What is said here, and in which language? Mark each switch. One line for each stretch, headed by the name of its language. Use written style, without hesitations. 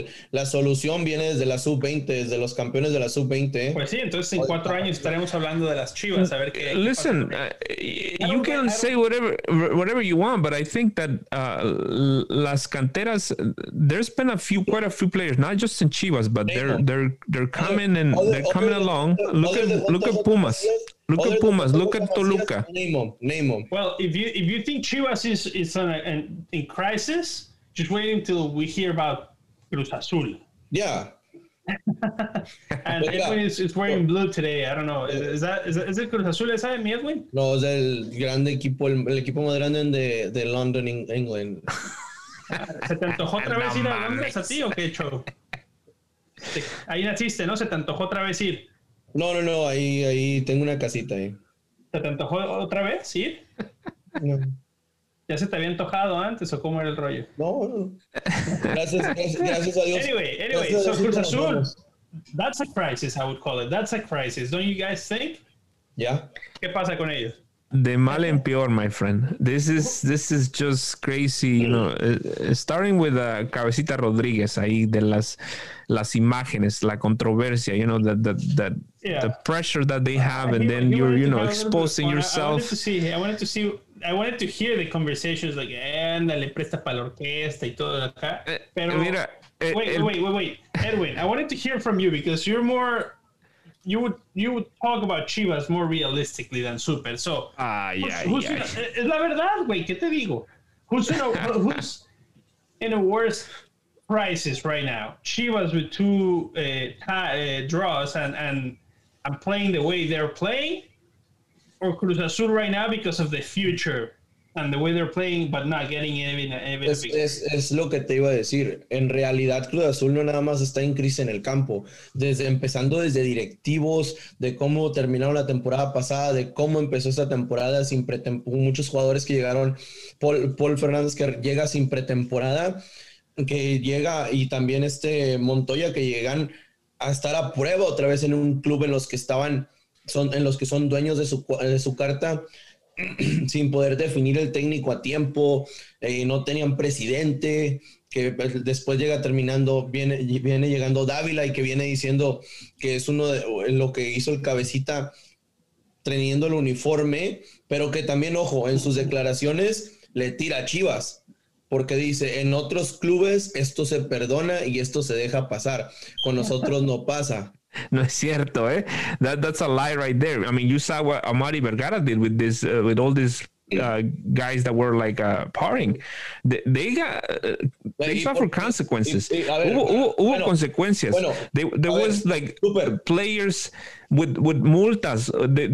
Spanish: La solución viene desde la Sub-20, desde los campeones de la Sub-20. Pues sí, entonces en 4 años estaremos hablando de las Chivas. A ver qué.
English: Listen, you can say whatever you want, but I think that
Spanish: las canteras,
English: there's been quite a few players, not just in Chivas, but they're coming and they're coming along. Look at Pumas. Look at Pumas. Look at Toluca. Name them. Well, if you think Chivas is in crisis, just wait until we hear about Cruz Azul. Yeah. And Edwin is wearing blue today. I don't know. Is it Cruz Azul? Is that Edwin?
Spanish: No, es el grande equipo, el equipo más grande de London, England. ¿Se te antojó otra vez ir a Londres a ti o qué, Cho? Ahí naciste, ¿no? ¿Se te antojó otra vez ir? No, ahí tengo una casita ahí. ¿Se te antojó otra vez, sí? No. ¿Ya se te había antojado antes o cómo era el rollo? No. Gracias a Dios.
English: Anyway, so Cruz Azul, that's a crisis, I would call it. That's a crisis. Don't you guys think? Yeah.
Spanish: ¿Qué pasa con ellos? De mal en peor,
English: my friend. This is just crazy, you know. Starting with Cabecita Rodriguez,
Spanish: ahí de las imágenes, la controversia,
English: you know, the pressure that they have, and then you're, you know, exposing yourself. I wanted to hear the conversations, like,
Spanish: ándale, presta para la orquesta y todo acá. Pero mira,
English: Edwin, I wanted to hear from you because you're more. You would talk about Chivas more realistically than Super. So, who's
Spanish: la verdad, güey, ¿qué te digo?
English: Who's in a worse crisis right now? Chivas with two draws and playing the way they're playing, or Cruz Azul right now because of the future and the way they're playing, but not getting
Spanish: es lo que te iba a decir. En realidad, Cruz Azul no nada más está en crisis en el campo. Desde empezando desde directivos, de cómo terminaron la temporada pasada, de cómo empezó esta temporada sin pretemporada. Muchos jugadores que llegaron, Paul Fernández que llega sin pretemporada, que llega, y también Montoya que llegan a estar a prueba otra vez en un club en los que estaban, son en los que son dueños de su carta, sin poder definir el técnico a tiempo, no tenían presidente, que después llega terminando, viene llegando Dávila y que viene diciendo que es uno de lo que hizo el cabecita teniendo el uniforme, pero que también, ojo, en sus declaraciones le tira a Chivas, porque dice, en otros clubes esto se perdona y esto se deja pasar, con nosotros no pasa. No es cierto, eh?
English: That's a lie right there. I mean, you saw what Amari Vergara did with this, with all these guys that were like parring. They suffered consequences.
Spanish: Hubo
English: consequences. There was like players with multas.